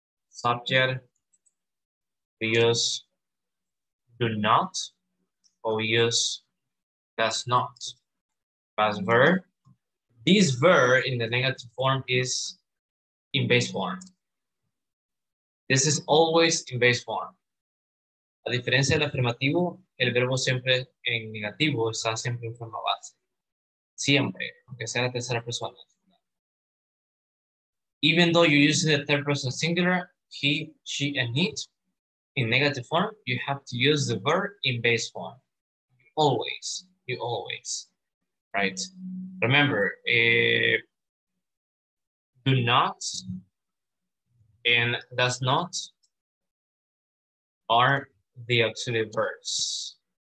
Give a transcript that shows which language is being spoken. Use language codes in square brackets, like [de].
[en] Subject, we use do not or we use does not. Past verb. This verb in the negative form is in base form. This is always in base form. [es] A diferencia del afirmativo, el verbo siempre en negativo está siempre en forma base. Siempre, aunque sea la tercera persona. [en] Even though you use the third person singular, he, she, and it, in negative form, you have to use the verb in base form. Always, you always. Right. Remember, do not and does not are the auxiliary verbs.